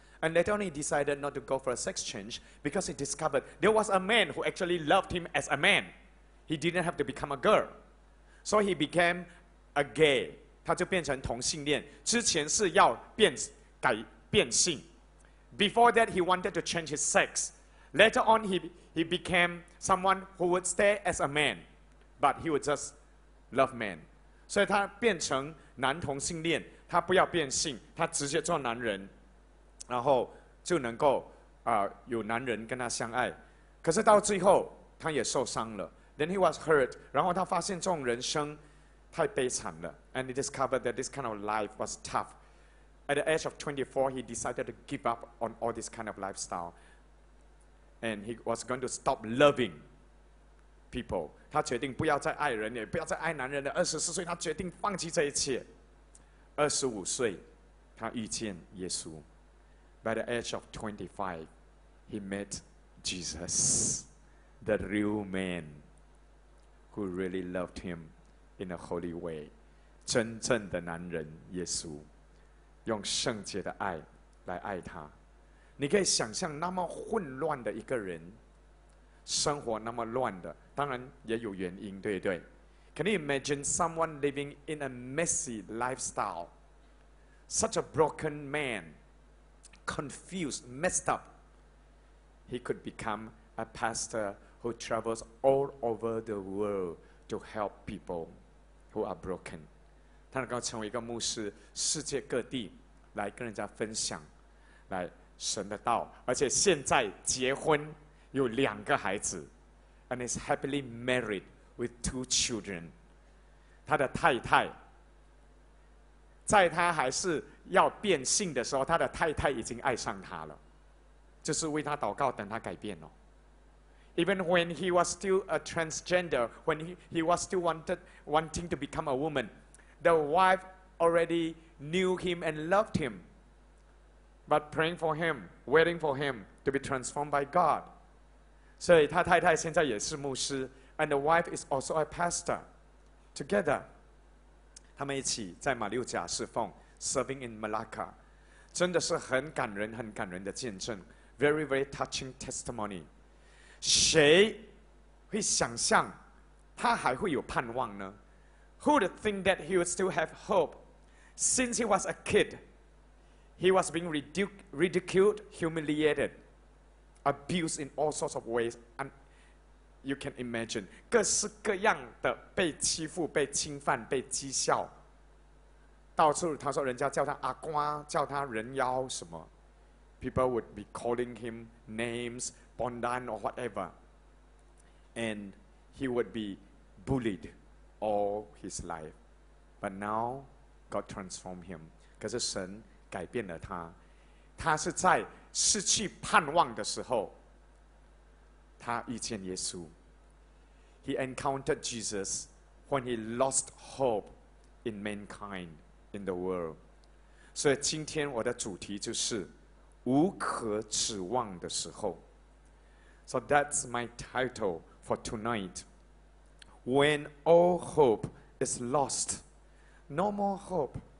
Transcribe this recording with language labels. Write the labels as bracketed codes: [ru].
[en] And later on he decided not to go for a sex change because he discovered there was a man who actually loved him as a man. He didn't have to become a girl. So he became a gay. [zh] 他就变成同性恋，之前是要变性。 [en] Before that he wanted to change his sex. Later on he became someone who would stay as a man, but he would just love men. [zh] 所以他变成男同性恋，他不要变性，他直接做男人，然后就能够有男人跟他相爱。可是到最后他也受伤了， [en] Then he was hurt. [zh] 然后他发现这种人生太悲惨了， [en] And he discovered that this kind of life was tough. At the age of 24, he decided to give up on all this kind of lifestyle. And he was going to stop loving people. [zh] 他决定不要再爱人，也不要再爱男人了。二十四岁，他决定放弃这一切。二十五岁，他遇见耶稣。 [en] By the age of 25, he met Jesus, the real man who really loved him in a holy way. [zh] 真正的男人耶稣，用圣洁的爱来爱他。你可以想象那么混乱的一个人，生活那么乱的，当然也有原因，对不对？ [en] Can you imagine someone living in a messy lifestyle? Such a broken man, confused, messed up. He could become a pastor who travels all over the world to help people who are broken. [zh] 他能够成为一个牧师，世界各地来跟人家分享，来神的道，而且现在结婚有两个孩子 ， [en] and is happily married with two children. [zh] 他的太太，在他还是要变性的时候，他的太太已经爱上他了，就是为他祷告，等他改变了。 [en] Even when he was still a transgender, when he was still wanting to become a woman, the wife already knew him and loved him. But praying for him, waiting for him to be transformed by God. [zh] 所以他太太现在也是牧师 [en] and the wife is also a pastor. Together, [zh] 他们一起在马六甲侍奉 [en] serving in Malacca. [zh] 真的是很感人很感人的见证 [en] very, very touching testimony. [zh] 谁会想象他还会有盼望呢？ [en] Who would think that he would still have hope? Since he was a kid, he was being ridiculed, humiliated, abused in all sorts of ways. And you can imagine, [zh] 各式各样的被欺负、被侵犯、被讥笑。到处他说人家叫他阿瓜，叫他人妖什么。 [en] People would be calling him names,Bondan or whatever, and he would be bullied all his life. But now God transformed him. [zh] 可是神改变了他。他是在失去盼望的时候，他遇见耶稣。 [en] He encountered Jesus when he lost hope in mankind, in the world. [zh] 所以今天我的主题就是无可指望的时候。 [en] So that's my title for tonight. When all hope is lost, no more hope.